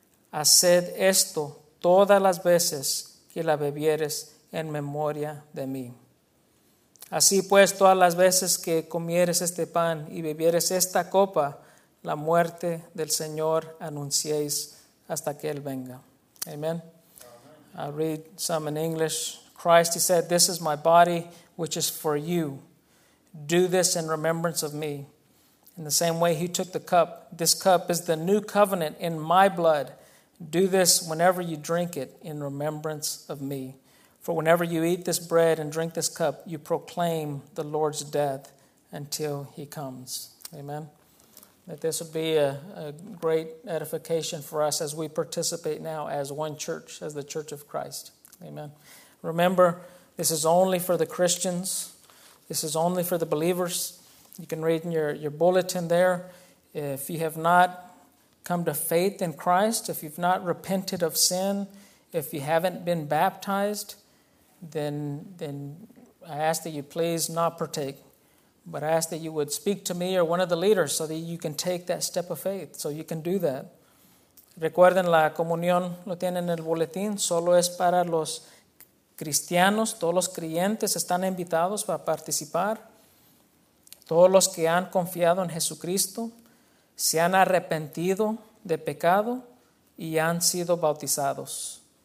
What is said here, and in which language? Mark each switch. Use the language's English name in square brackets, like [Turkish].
[Spanish] Haced esto todas las veces que la bebieres en memoria de mí. Así pues, todas las veces que comieres este pan y bebieres esta copa, la muerte del Señor anunciéis hasta que Él venga. [English] Amen. I'll read some in English. Christ, he said, this is my body, which is for you. Do this in remembrance of me. In the same way, he took the cup. This cup is the new covenant in my blood. Do this whenever you drink it in remembrance of me. For whenever you eat this bread and drink this cup, you proclaim the Lord's death until he comes. Amen. That this would be a great edification for us as we participate now as one church, as the Church of Christ. Amen. Remember, this is only for the Christians. This is only for the believers. You can read in your bulletin there. If you have not come to faith in Christ, if you've not repented of sin, If you haven't been baptized, then I ask that you please not partake. But I ask that you would speak to me or one of the leaders so that you can take that step of faith, so you can do that. [Spanish] Recuerden, la comunión lo tienen en el boletín. Solo es para los cristianos. Todos los creyentes están invitados a participar. Todos los que han confiado en Jesucristo, se han arrepentido de pecado y han sido bautizados.